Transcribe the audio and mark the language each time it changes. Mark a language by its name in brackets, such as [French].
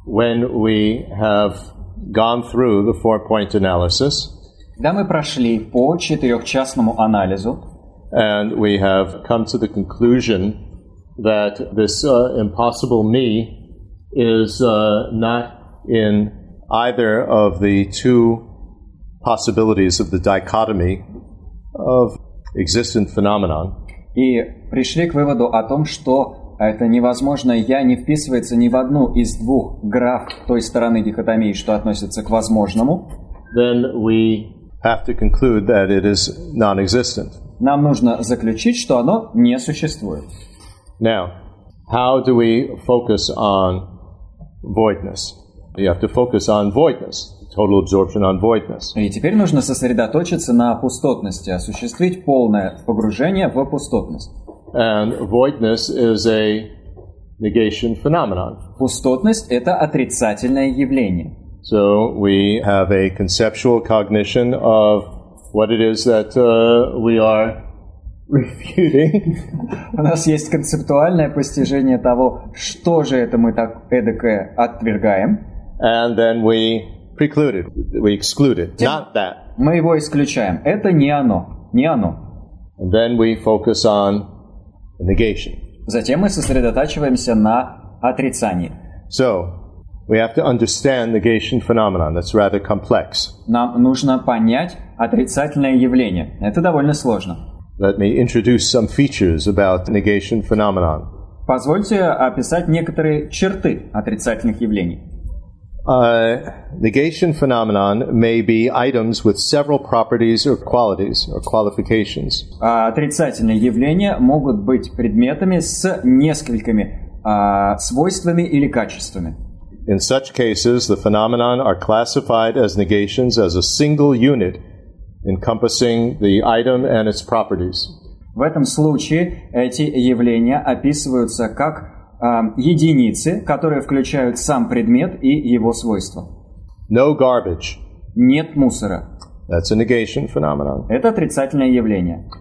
[English] when we have gone through the four-point analysis, [Russian] когда мы прошли по четырехчастному анализу, [English] and we have come to the conclusion that this impossible me is not in either of the two possibilities of the dichotomy of existent phenomenon. [Russian] И пришли к выводу о том, что это невозможное «я» не вписывается ни в одну из двух граф той стороны дихотомии, что относится к возможному. [English] Then we have to conclude that it is non-existent. [Russian] Нам нужно заключить, что оно не существует. [English] Now, how do we focus on voidness? You have to focus on voidness, total absorption on voidness. [Russian] И теперь нужно сосредоточиться на пустотности, осуществить полное погружение в пустотность. [English] And voidness is a negation phenomenon. [Russian] Пустотность — это отрицательное явление. [English] So we have a conceptual cognition of what it is that we are refuting. [Russian] У нас есть концептуальное постижение того, что же это мы так эдакое отвергаем. [English] And then we preclude it. We exclude it. Not that. [Russian] Мы его исключаем. Это не оно. Не оно. [English] And then we focus on the negation. [Russian] Затем мы сосредотачиваемся на отрицании. [English] So, we have to understand negation phenomenon. That's rather complex. [Russian] Нам нужно понять отрицательное явление. Это довольно сложно. [English] Let me introduce some features about negation phenomenon. [Russian] Позвольте описать некоторые черты отрицательных явлений. [English] Negation phenomenon may be items with several properties or qualities or qualifications. [Russian] Отрицательные явления могут быть предметами с несколькими свойствами или качествами. [English] In such cases, the phenomenon are classified as negations as a single unit encompassing the item and its properties. [Russian] В этом случае эти явления описываются как единицы, которые включают сам предмет и его свойства. [English] No garbage. [Russian] Нет мусора. [English] That's a negation phenomenon. [Russian] Это отрицательное явление.